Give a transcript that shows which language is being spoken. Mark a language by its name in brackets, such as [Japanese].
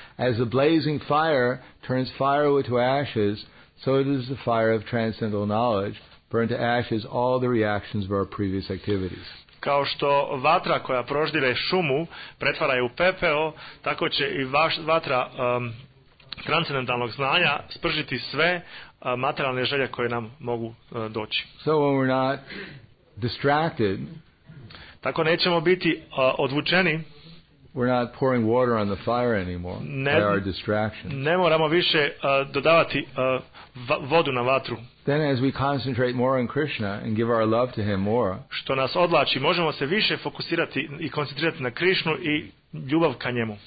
[English] As a blazing fire turns firewood to ashes, so it is the fire of transcendental knowledge burnt to ashes all the reactions of our previous activities. [Bosnian] Kao što vatra koja proždire šumu pretvara je u pepeo, tako će i vatra transcendentalnog znanja spržiti sve materialne želje koje nam mogu doći. [English] So when we're not distracted, [Bosnian] tako nećemo biti odvučeni. [English] We're not pouring water on the fire anymore. By our distraction. [Bosnian] Ne moramo više dodavati vodu na vatru. [English] Then as we concentrate more on Krishna and give our love to him more. [Bosnian] Što nas odlači, možemo se više fokusirati i koncentrirati na Krishnu i ljubav ka njemu.